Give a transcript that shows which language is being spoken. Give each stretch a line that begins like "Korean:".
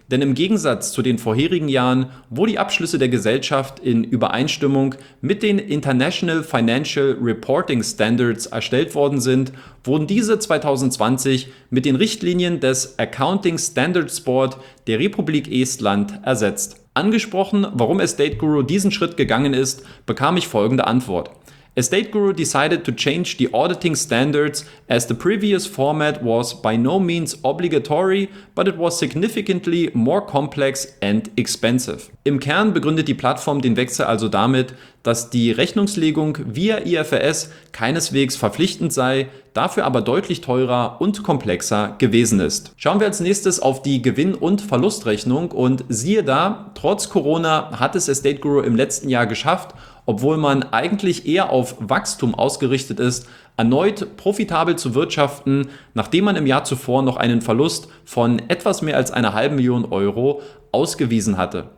German: Denn im Gegensatz zu den vorherigen Jahren, wo die Abschlüsse der Gesellschaft in Übereinstimmung mit den International Financial Reporting Standards erstellt worden sind, wurden diese 2020 mit den Richtlinien des Accounting Standards Board der Republik Estland ersetzt. Angesprochen, warum Estate Guru diesen Schritt gegangen ist, bekam ich folgende Antwort.
English: Estate Guru decided to change the auditing standards as the previous format was by no means obligatory, but it was significantly more complex and expensive.
German: Im Kern begründet die Plattform den Wechsel also damit, dass die Rechnungslegung via IFRS keineswegs verpflichtend sei, dafür aber deutlich teurer und komplexer gewesen ist. Schauen wir als nächstes auf die Gewinn- und Verlustrechnung und siehe da, trotz Corona hat es Estate Guru im letzten Jahr geschafft, obwohl man eigentlich eher auf Wachstum ausgerichtet ist, erneut profitabel zu wirtschaften, nachdem man im Jahr zuvor noch einen Verlust von etwas mehr als 500.000 Euro ausgewiesen hatte.